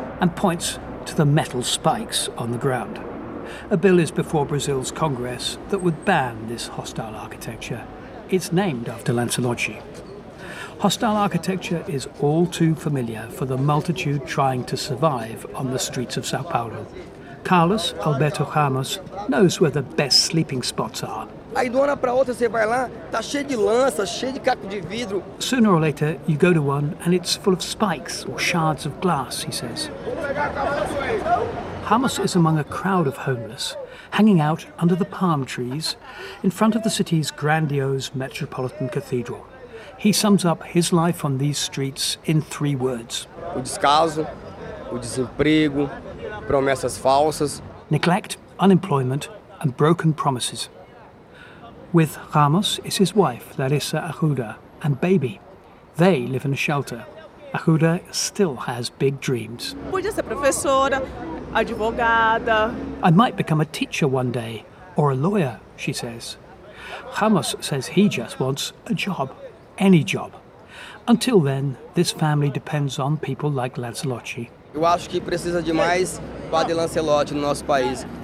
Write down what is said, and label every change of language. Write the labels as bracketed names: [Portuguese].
[English] And points to the metal spikes on the ground. A bill is before Brazil's Congress that would ban this hostile architecture. It's named after Lancelotti. Hostile architecture is all too familiar for the multitude trying to survive on the streets of Sao Paulo. Carlos Alberto Ramos knows where the best sleeping spots are. [Portuguese] Aí de uma hora para outra você vai lá, tá cheio de lança, cheio de caco de vidro. [English] Sooner or later, you go to one and it's full of spikes or shards of glass, he says. Ramos is among a crowd of homeless, hanging out under the palm trees in front of the city's grandiose Metropolitan Cathedral. He sums up his life on these streets in 3 words. [Portuguese] O descaso, o desemprego, promessas falsas. [English] Neglect, unemployment, and broken promises. With Ramos is his wife, Larissa Arruda, and baby. They live in a shelter. Arruda still has big dreams. [Portuguese] Podia ser professora, advogada. [English] I might become a teacher one day, or a lawyer, she says. Ramos says he just wants a job. Any job. Until then, this family depends on people like Lancelotti. [Portuguese] Eu acho que precisa de mais Padre Lancelotti no nosso país.